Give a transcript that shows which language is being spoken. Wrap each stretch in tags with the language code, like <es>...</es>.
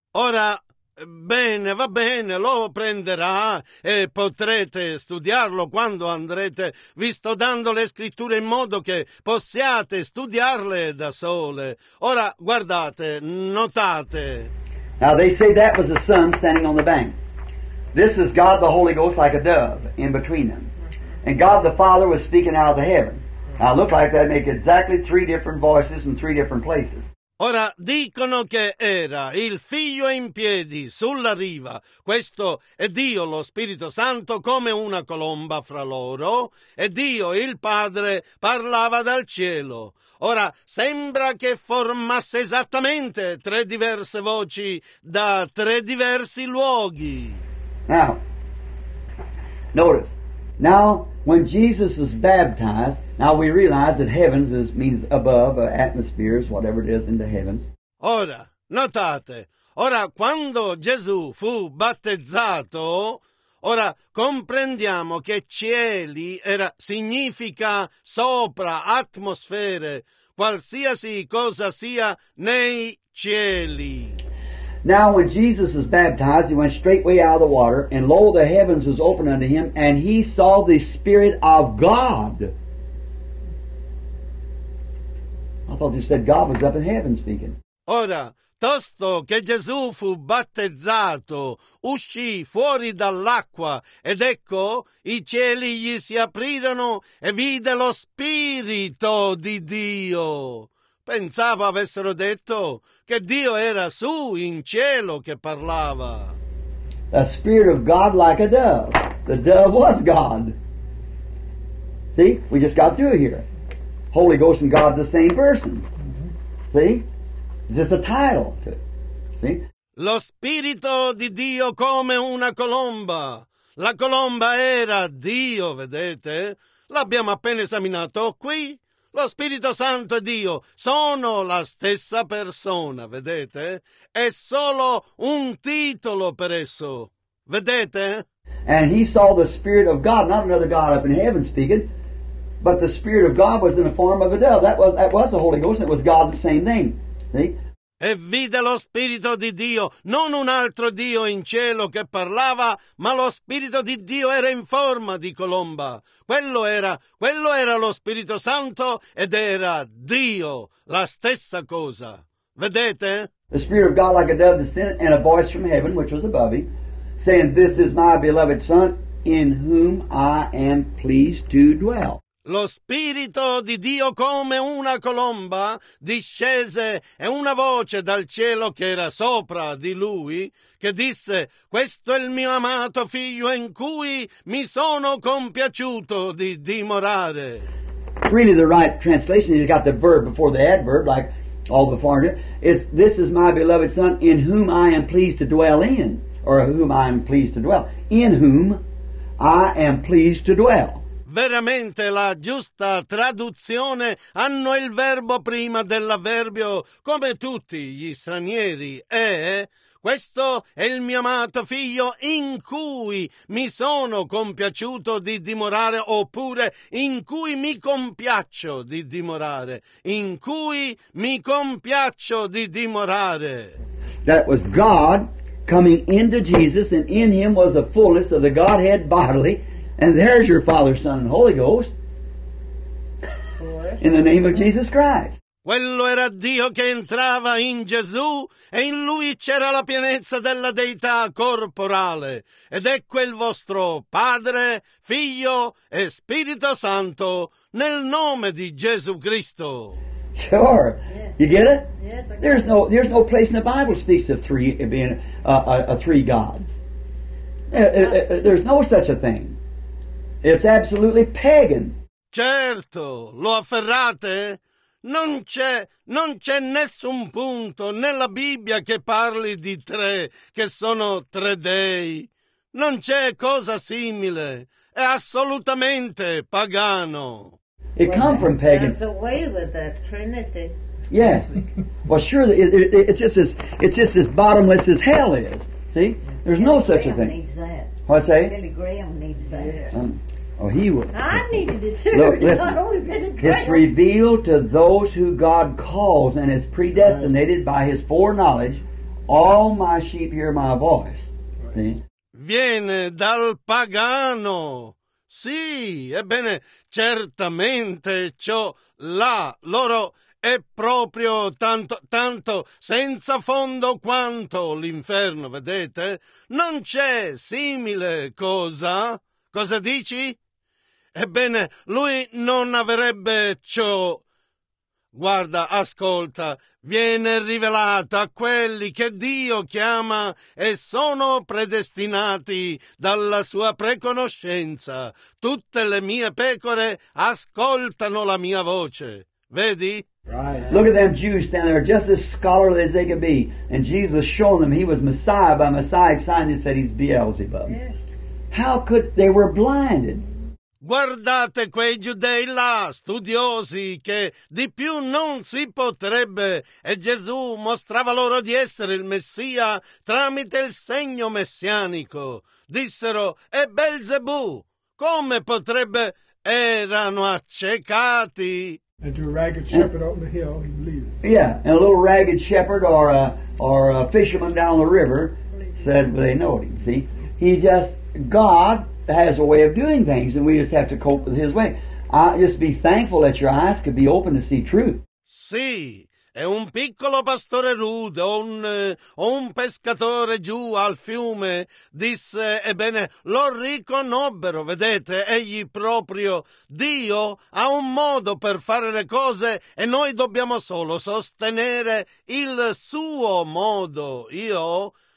<it>Ora, bene, va bene, lo prenderà e potrete studiarlo quando andrete. Vi sto dando le scritture in modo che possiate studiarle da sole. Ora guardate, notate.</it> <en>Now they say that was the Son standing on the bank. This is God the Holy Ghost like a dove in between them. And God the Father was speaking out of the heaven. Now look like that make exactly three different voices in three different places.</en> <it>Ora dicono che era il Figlio in piedi sulla riva, questo è Dio lo Spirito Santo come una colomba fra loro, e Dio il Padre parlava dal cielo. Ora sembra che formasse esattamente tre diverse voci da tre diversi luoghi.</it> <en>Now, notice, now when Jesus is baptized, now we realize that heavens is, means above, atmospheres, whatever it is in the heavens.</en> <it>Ora, notate, ora quando Gesù fu battezzato, ora comprendiamo che cieli era, significa sopra, atmosfere, qualsiasi cosa sia nei cieli.</it> <en>Now when Jesus was baptized, he went straightway out of the water, and lo, the heavens was opened unto him, and he saw the Spirit of God. I thought you said God was up in heaven speaking.</en> <it>Ora, tosto che Gesù fu battezzato, uscì fuori dall'acqua, ed ecco, i cieli gli si aprirono e vide lo Spirito di Dio. Pensavo avessero detto che Dio era su in cielo che parlava.</it> <en>The Spirit of God like a dove. The dove was God. See, we just got through here. Holy Ghost and God the same person. Mm-hmm. See? It's just a title to it. See?</en> <it>Lo Spirito di Dio come una colomba. La colomba era Dio, vedete? L'abbiamo appena esaminato qui. Lo Spirito Santo e Dio sono la stessa persona, vedete? È solo un titolo per esso. Vedete?</it> <en>And he saw the Spirit of God, not another God up in heaven speaking. But the Spirit of God was in the form of a dove. That was the Holy Ghost. It was God, the same thing. See?</en> <it>e vide lo Spirito di Dio, non un altro Dio in cielo che parlava, ma lo Spirito di Dio era in forma di colomba. Quello era lo Spirito Santo ed era Dio, la stessa cosa. Vedete?</it> <en>The Spirit of God like a dove descended and a voice from heaven, which was above him, saying, "This is my beloved Son, in whom I am pleased to dwell."</en> <it>Lo Spirito di Dio come una colomba discese e una voce dal cielo che era sopra di lui che disse: "Questo è il mio amato figlio in cui mi sono compiaciuto di dimorare."</it> <en>Really the right translation, he's got the verb before the adverb, like all the foreigners. It's, "This is my beloved Son in whom I am pleased to dwell in," or "whom I am pleased to dwell," "in whom I am pleased to dwell."</en> <it>Veramente la giusta traduzione hanno il verbo prima dell'avverbio, come tutti gli stranieri, e "questo è il mio amato figlio in cui mi sono compiaciuto di dimorare," oppure "in cui mi compiaccio di dimorare," "in cui mi compiaccio di dimorare."</it> <en>That was God coming into Jesus, and in him was the fullness of the Godhead bodily. And there's your Father, Son, and Holy Ghost. In the name of Jesus Christ.</en> <it>Quello era Dio che entrava in Gesù e in lui c'era la pienezza della deità corporale. Ed ecco il vostro Padre, Figlio e Spirito Santo nel nome di Gesù Cristo.</it> <en>Sure. You get it? Yes, I get it. There's no place in the Bible that speaks of three being a three gods. There's no such a thing. It's absolutely pagan.</en> <it>Certo, lo afferrate? Non c'è nessun punto nella Bibbia che parli di tre, che sono tre dei. Non c'è cosa simile. È assolutamente pagano.</it> <en>It come from pagan. That's away with that Trinity. Yeah. Well, sure, it's just as bottomless as hell is. See? There's Billy no such Graham a thing. Needs that. What I say? Billy Graham needs that. Yes. Oh, he will. I needed it too. Look, listen. It's revealed to those who God calls and is predestinated by his foreknowledge. All my sheep hear my voice. See?</en> <it>Viene dal pagano. Sì, ebbene, certamente ciò là. Loro è proprio tanto senza fondo quanto l'inferno, vedete? Non c'è simile cosa. Cosa dici? Ebbene, lui non avrebbe ciò. Guarda, ascolta, viene rivelato a quelli che Dio chiama e sono predestinati dalla sua preconoscenza. Tutte le mie pecore ascoltano la mia voce. Vedi?</it> <en>Right. Look at them Jews standing there, just as scholarly as they could be. And Jesus showed them he was Messiah by Messiah's sign. He said he's Beelzebub. How could they were blinded?</en> <it>Guardate quei giudei là, studiosi, che di più non si potrebbe, e Gesù mostrava loro di essere il Messia tramite il segno messianico. Dissero: "È Belzebù, come potrebbe?" Erano accecati.</it> <en>And to a ragged shepherd on the hill, he believed. Yeah, and a little ragged shepherd or a fisherman down the river said, well, they know him, see? He just, God has a way of doing things, and we just have to cope with his way. Just be thankful that your eyes could be open to see truth.</en> <it>Sì, è un piccolo pastore rude, un pescatore giù al fiume, disse, ebbene, lo riconobbero, vedete, egli proprio, Dio ha un modo per fare le cose e noi dobbiamo solo sostenere il suo modo. Io...</it>